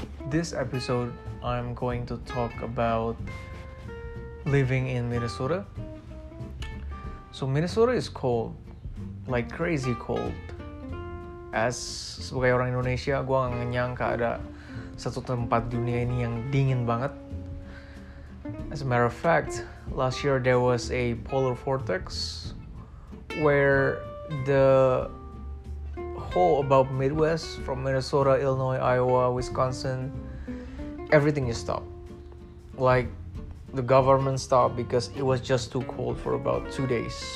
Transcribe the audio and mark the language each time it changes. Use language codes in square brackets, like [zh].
[en] This episode, I'm going to talk about living in Minnesota. So Minnesota is cold, like crazy cold. [id] As sebagai orang Indonesia, gue gak nyangka ada satu tempat dunia ini yang dingin banget. [en] As a matter of fact, last year there was a polar vortex where the whole about Midwest, from Minnesota, Illinois, Iowa, Wisconsin, everything is stopped. Like, the government stopped because it was just too cold for about 2 days.